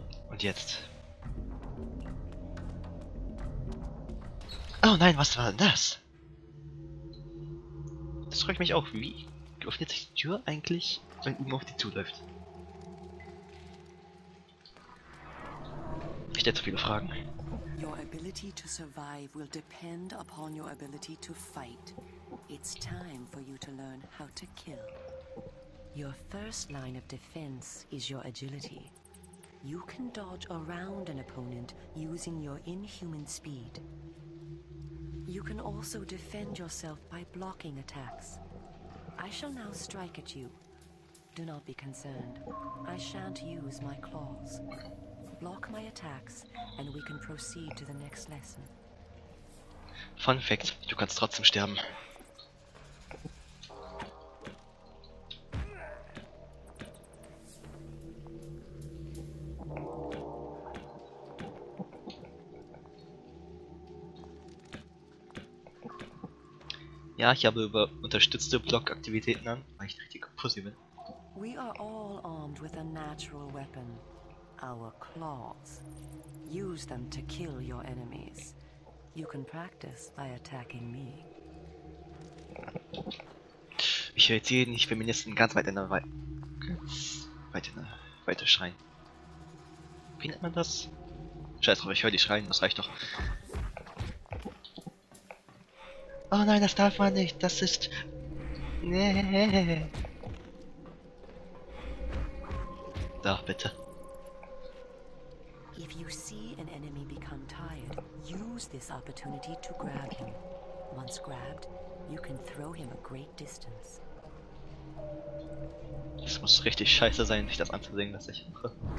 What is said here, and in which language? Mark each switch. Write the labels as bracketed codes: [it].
[de] Und jetzt. Oh nein, was war denn das? Das frage ich mich auch, wie öffnet sich die Tür eigentlich, wenn Omen auf die zuläuft? Ich stelle zu viele Fragen. [en] Your ability to survive will depend upon your ability to fight. It's time for you to learn how to kill. Your first line of defense is your agility. You can dodge around an opponent using your inhuman speed. You can also defend yourself by blocking attacks. I shall now strike at you. Do not be concerned. I shan't use my claws. Block my attacks, and we can proceed to the next lesson. [de] Fun Fact, du kannst trotzdem sterben. Ja, ich habe über unterstützte Blockaktivitäten an, weil ich richtig Pussy bin. [en] We are all armed with a natural weapon, our claws. Use them to kill your enemies. You can practice by attacking me. [de] Ich höre jetzt jeden nicht Feministen ganz weit in der Weite schreien. Wie nennt man das? Scheiß drauf, ich höre die schreien, das reicht doch. Oh nein, das darf man nicht, das ist... Nee. Da, bitte. [en] If you see an enemy become tired, use this opportunity to grab him. Once grabbed, you can throw him a great distance. [de] Es muss richtig scheiße sein, sich das anzusehen, was ich mache.